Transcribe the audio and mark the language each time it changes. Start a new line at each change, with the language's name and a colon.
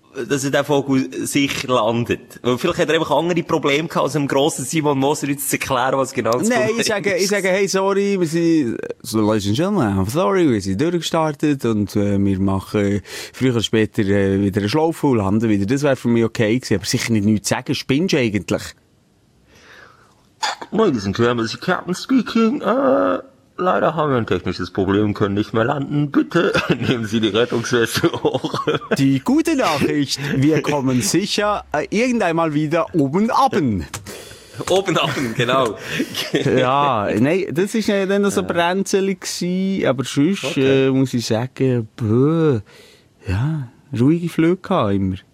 German: Dass er den Vogel sicher landet. Weil vielleicht hat er einfach andere Probleme gehabt, als einem grossen Simon Moser jetzt zu erklären, was genau das Problem ist. Nein, ich sage, hey, sorry, wir sind,
English: ladies and gentlemen,
German: sorry, wir sind durchgestartet und wir machen früher oder später wieder eine Schlaufe und landen wieder. Das wäre für mich okay gewesen. Aber sicher nicht nichts sagen. Spinnst du eigentlich?
English: Ladies and gentlemen, this is Captain speaking.
German: Leider haben wir ein technisches Problem, können nicht mehr landen. Bitte nehmen Sie die Rettungsweste hoch. Die gute Nachricht, wir kommen sicher irgendeinmal wieder oben abend. Oben abend, genau. Ja, nein, das war nicht dann so ein brenzelig, aber sonst muss ich sagen, ja, ruhige Flüge hatte immer.